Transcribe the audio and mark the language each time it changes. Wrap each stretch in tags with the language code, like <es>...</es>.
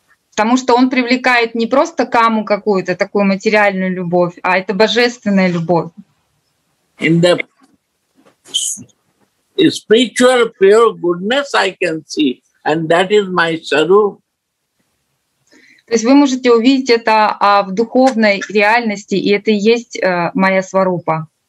<ru>Потому что он привлекает не просто каму какую-то, такую материальную любовь, а это божественная любовь.</ru> <en>In the spiritual pure goodness I can see, and that is my saru.</en> <ru>То есть вы можете увидеть это в духовной реальности, и это и есть моя сварупа.</ru>